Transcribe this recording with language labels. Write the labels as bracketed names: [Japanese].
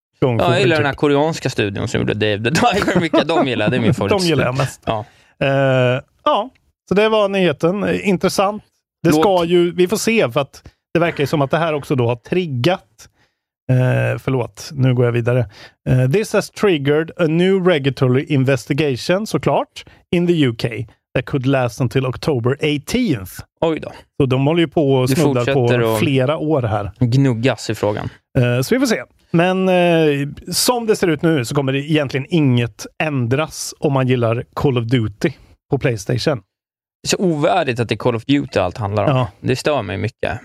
[Swedish] Ja, jag gillar typ den här koreanska studion som gjorde Dave the Diver. Vilka de gillar, det är min favorit. De gillar jag mest. Ja. Så det var nyheten. Intressant. Det ska ju, vi får se, för att det verkar ju som att det här också då har triggat. Förlåt, nu går jag vidare. [English] This has triggered a new regulatory investigation, såklart, in the UK that could last until October 18th. [Swedish] Oj då. Så de håller ju på och snuddar på flera år här. Gnuggas i frågan. Så vi får se. Men som det ser ut nu så kommer det egentligen inget ändras om man gillar Call of Duty på PlayStation. Det är så ovärdigt att det är Call of Duty allt handlar om. Ja. Det stör mig mycket.